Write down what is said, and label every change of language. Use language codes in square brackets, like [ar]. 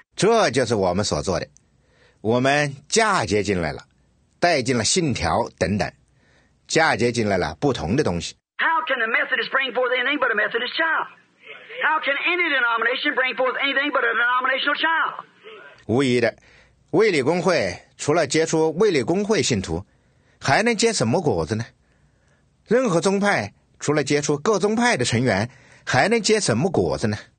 [zh] 这就是我们所做的。我们嫁接进来了，带进了信条等等，嫁接进来了不同的东西。 [en] How can the Methodist bring forth anything but a Methodist child? How can any denomination bring forth anything but a denominational child? [zh] 无疑的，卫理公会除了结出卫理公会信徒，还能结什么果子呢？任何宗派除了结出各宗派的成员，还能结什么果子呢？